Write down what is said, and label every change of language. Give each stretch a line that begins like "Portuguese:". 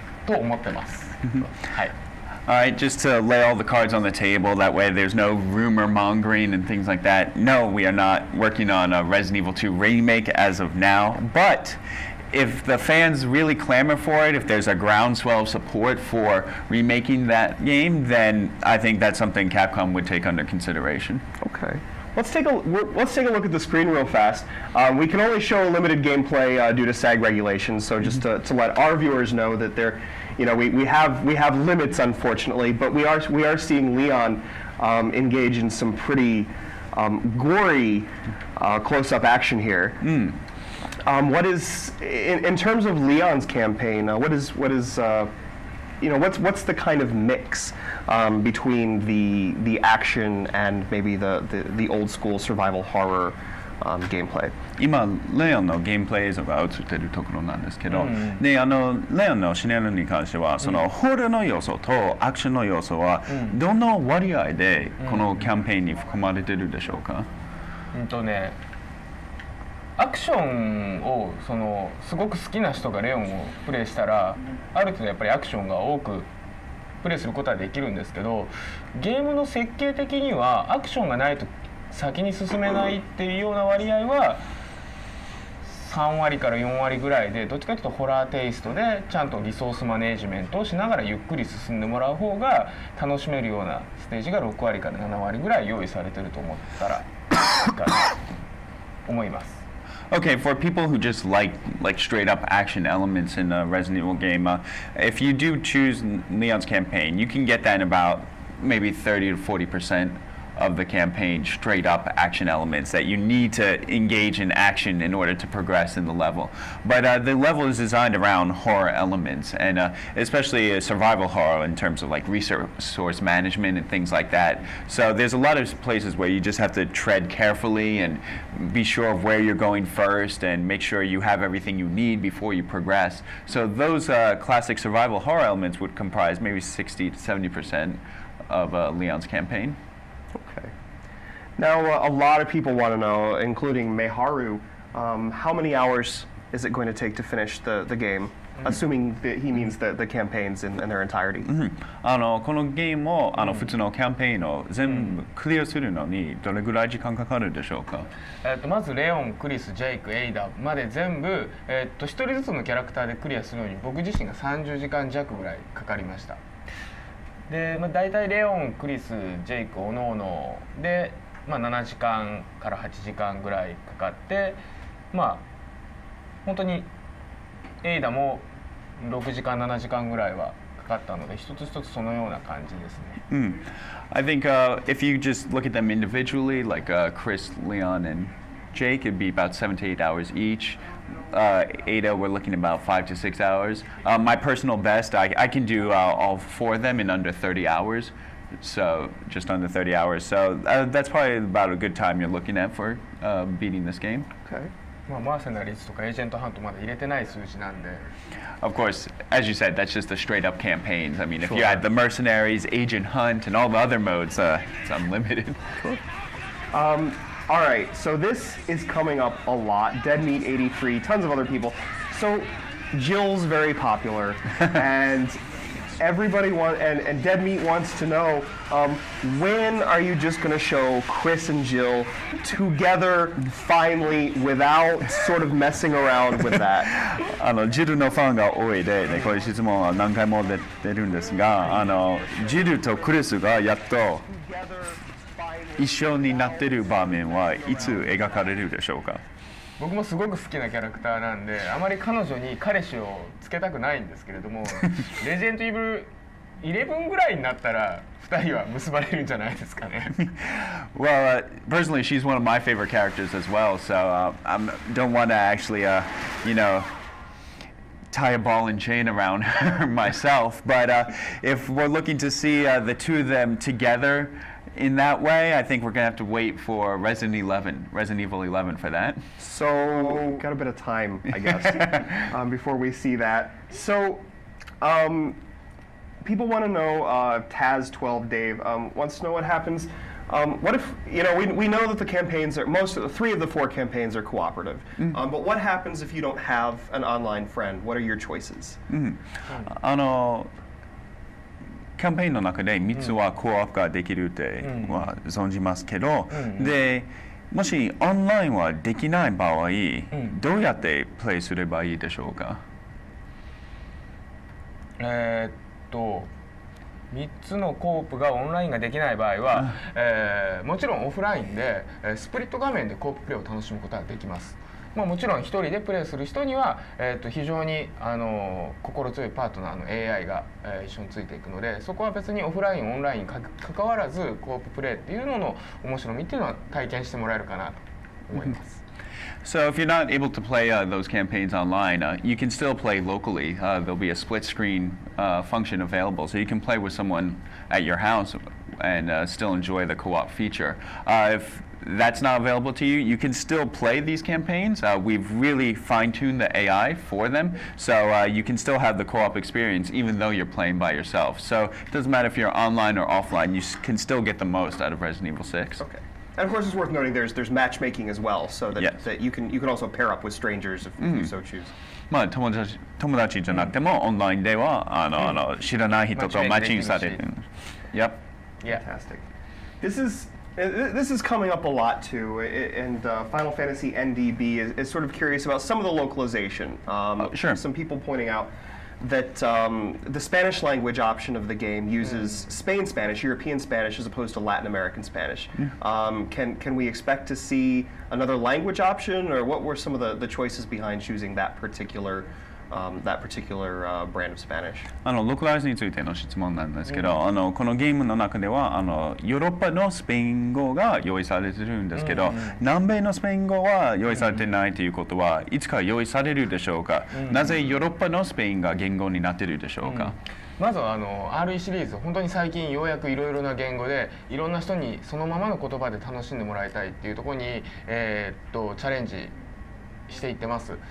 Japanese: バイオ2のリメイクはいかがでしょうか。まずみんなにちゃんとこうフェアに答えを言うとノーです。まだ作ってないですし、今後みんなが、そうやってRE2のリメイクをやっぱりプレイしたいっていう声がどんどんどんどん高まって、カプコンに伝わってくれば、僕たちは検討すると思ってます。はい。
English: All right, just to lay all the cards on the table, that way there's no rumor mongering and things like that. No, we are not working on a Resident Evil 2 remake as of now, but if the fans really clamor for it, if there's a groundswell of support for remaking that game, then I think that's something Capcom would take under consideration. Okay. Let's take a look at the screen real fast. We can only show limited gameplay due to SAG regulations, so just to let our viewers know that they're, you know, we have limits, unfortunately, but we are seeing Leon engage in some pretty gory close-up action here. Mm. What is in terms of Leon's campaign? What's the kind of mix between the action and maybe the old school survival horror gameplay?
Japanese: 今レオンのゲームプレイ映像が映っているところなんですけど、で、あのレオンのシナリオに関しては、そのホールの要素とアクションの要素はどの割合でこのキャンペーンに含まれているでしょうか？ね。アクションをそのすごく好きな人がレオンをプレイしたらある程度やっぱりアクションが多くプレイすることはできるんですけど、ゲームの設計的にはアクションがないと先に進めないっていうような割合は 3割から4割ぐらいで、どっちかというとホラーテイストでちゃんとリソースマネージメントをしながらゆっくり進んでもらう方が楽しめるようなステージが6割から7割ぐらい用意されてると思ったらいいかなと思います。
English: Okay, for people who just like straight up action elements in a Resident Evil game, if you do choose Leon's campaign, you can get that in about maybe 30 to 40% of the campaign straight up action elements that you need to engage in action in order to progress in the level. But the level is designed around horror elements, and especially survival horror in terms of like resource management and things like that. So there's a lot of places where you just have to tread carefully and be sure of where you're going first and make sure you have everything you need before you progress. So those classic survival horror elements would comprise maybe 60 to 70% of Leon's campaign. Okay. Now, a lot of people want to know, including Meharu, how many hours is it going to take to finish the game? Assuming that he means the campaigns in their entirety. Mm-hmm.
Japanese: このゲームを、普通のキャンペーンを全部クリアするのにどれぐらい時間かかるでしょうか？まずレオン、クリス、ジェイク、エイダまで全部、一人ずつのキャラクターでクリアするのに僕自身が30時間弱ぐらいかかりました。で、まあ、大体レオン、クリス、ジェイク、おのおので、まあ、7時間から8時間ぐらいかかって、まあ、本当にエイダも6時間、7時間ぐらいはかかったので、一つ一つそのような感じですね。 Mm.
English: I think if you just look at them individually, like Chris, Leon, and Jake, it'd be about 7 to 8 hours each. Ada, we're looking about 5 to 6 hours. My personal best, I can do all four of them in under 30 hours. So, just under 30 hours. So, that's probably about a good time you're looking at for beating this game. Okay.
Japanese: まあ、マーセナリーズとかエージェントハントまだ入れてない数字なんで。
English: Of course, as you said, that's just the straight up campaigns. I mean, if you add the mercenaries, agent hunt, and all the other modes, it's unlimited. Cool. All right, so this is coming up a lot. Dead Meat 83, tons of other people. So Jill's very popular, and everybody wants, and Dead Meat wants to know, when are you just gonna show Chris and Jill together, finally, without sort of messing around with that?
Japanese: Jill のファンが多いで、ね、こういう質問は何回も出てるんですが、Jill とクリスがやっと、一緒になってる場面はいつ描かれるでしょうか？僕もすごく好きなキャラクターなんで、あまり彼女に彼氏をつけたくないんですけれども、レジェンドイブル11ぐらいになったら2人は結ばれるんじゃないですかね。
English: Well, personally, she's one of my favorite characters as well, so I don't want to actually, you know... tie a ball and chain around her myself, but if we're looking to see the two of them together in that way, I think we're going to have to wait for Resident Evil 11 for that. So, got a bit of time, I guess, before we see that. So, people want to know, Taz12 Dave wants to know what happens. What if, you know, we know that the campaigns are, most of the three of the four campaigns are cooperative. Mm-hmm. But what happens if you don't have an online friend? What are your choices? Mm-hmm.
Japanese: キャンペーンの中で3つはコアアップができるって、存じますけど、で、もしオンラインはできない場合、うん、どうやってプレイすればいいでしょうか。 3つのコープがオンラインができない場合は、もちろんオフラインでスプリット画面でコーププレイを楽しむことができます。まあ、もちろん一人でプレイする人には、非常に心強いパートナーの AI が、一緒についていくので、そこは別にオフラインオンラインか関わらずコーププレイっていうのの面白みっていうのは体験してもらえるかなと思います。
English: So if you're not able to play those campaigns online, you can still play locally. There'll be a split screen function available, so you can play with someone at your house and still enjoy the co-op feature. If that's not available to you, you can still play these campaigns. We've really fine-tuned the AI for them, so you can still have the co-op experience even though you're playing by yourself. So it doesn't matter if you're online or offline, you can still get the most out of Resident Evil 6. Okay. And of course, it's worth noting there's matchmaking as well, so that,、 yes. that you can also pair up with strangers if、mm. you so choose.
Japanese: まあ友達じゃなくても、mm. オンラインではあの知らない人とマッチングされる。
English: Yep. Yeah. Fantastic. This is coming up a lot too, and Final Fantasy NDB is sort of curious about some of the localization. Sure. Some people pointing out. That the Spanish language option of the game uses、mm. Spain Spanish, European Spanish, as opposed to Latin American Spanish.、 Yeah. Can we expect to see another language option, or what were some of the choices behind choosing that particular、brand of Spanish?
Japanese: Localize についての質問なんですけど、mm. このゲームの中ではヨーロッパのスペイン語が用意されているんですけど、mm. 南米のスペイン語は用意されていないということは、いつか用意されるでしょうか。 Mm. なぜヨーロッパのスペインが言語になっているでしょうか。 Mm. まずはRE シリーズ、本当に最近ようやくいろいろな言語でいろんな人にそのままの言葉で楽しんでもらいたいっていうところに、チャレンジしていってます。